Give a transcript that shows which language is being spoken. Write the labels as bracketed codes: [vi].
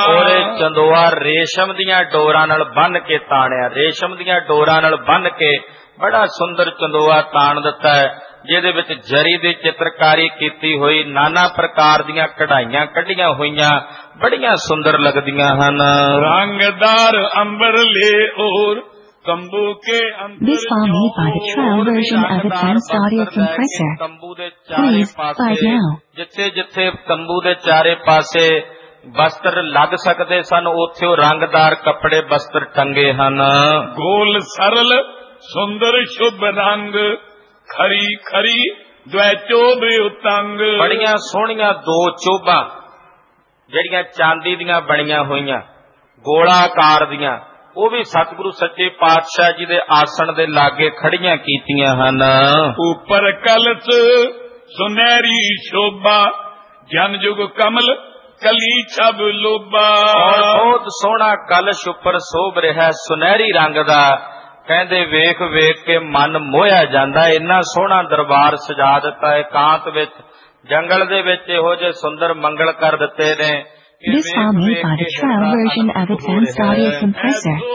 [pa] ਉਹਦੇ ਚੰਦੋਆ ਰੇਸ਼ਮ ਦੀਆਂ ਡੋਰਾਂ ਨਾਲ ਬੰਨ ਕੇ ਤਾਣਿਆ ਰੇਸ਼ਮ ਦੀਆਂ ਡੋਰਾਂ ਨਾਲ ਬੰਨ ਕੇ ਬੜਾ ਸੁੰਦਰ ਚੰਦੋਆ ਤਾਣ ਦਿੱਤਾ ਹੈ ਜਿਹਦੇ ਵਿਚ ਜਰੀ ਦੀ ਚਿੱਤਰਕਾਰੀ ਕੀਤੀ ਹੋਈ ਨਾਨਾ ਪ੍ਰਕਾਰ ਦੀਆਂ ਕਢਾਈਆਂ ਕੱਢੀਆਂ ਹੋਈਆਂ ਬੜੀਆਂ ਸੁੰਦਰ ਲੱਗਦੀਆਂ ਹਨ ਰੰਗਦਾਰ ਅੰਬਰ ਲੇ ਔਰ [en] This file made by the trial version of Advanced Audio Compressor. Please buy it now. [pa] ਜਿੱਥੇ ਜਿੱਥੇ ਤੰਬੂ ਦੇ ਚਾਰੇ ਪਾਸੇ ਬਸਤਰ ਲੱਗ ਸਕਦੇ ਸਨ ਉੱਥੇ ਉਹ ਰੰਗਦਾਰ ਕੱਪੜੇ ਬਸਤਰ ਟੰਗੇ ਹਨ ਗੋਲ ਸਰਲ ਸੁੰਦਰ ਸ਼ੁਭ ਰੰਗ ਖਰੀ ਖਰੀ ਦੁਇ ਚੋਭ ਉਤੰਗ ਬੜੀਆਂ ਸੋਹਣੀਆਂ ਦੋ ਚੋਭਾਂ ਜਿਹੜੀਆਂ ਚਾਂਦੀ ਦੀਆਂ ਬਣੀਆਂ ਹੋਈਆਂ ਗੋਲਾਕਾਰ ਦੀਆਂ ਉਹ ਵੀ ਸਤਿਗੁਰੂ ਸੱਚੇ ਪਾਤਸ਼ਾਹ ਜੀ ਦੇ ਆਸਣ ਦੇ ਲਾਗੇ ਖੜੀਆਂ ਕੀਤੀਆਂ ਹਨ ਉਪਰ ਕਲਸ ਸੁਨਹਿਰੀ ਸ਼ੋਭਾ ਜਨ ਯੁਗ ਕਮਲ ਕਲੀ ਛਬ ਲੋਭਾ ਬਹੁਤ ਸੋਹਣਾ ਕਲਸ਼ ਉਪਰ ਸੋਭ ਰਿਹਾ ਸੁਨਹਿਰੀ ਰੰਗ ਦਾ ਕਹਿੰਦੇ ਵੇਖ ਵੇਖ ਕੇ ਮਨ ਮੋਹਿਆ ਜਾਂਦਾ ਇੰਨਾ ਸੋਹਣਾ ਦਰਬਾਰ ਸਜਾ ਦਿੱਤਾ ਏਕਾਂਤ ਵਿਚ ਜੰਗਲ ਦੇ ਵਿਚ ਇਹੋ ਜੇ ਸੁੰਦਰ ਮੰਗਲ ਕਰ ਦਿੱਤੇ ਨੇ [en] This file made by the trial version of Advanced Audio Compressor.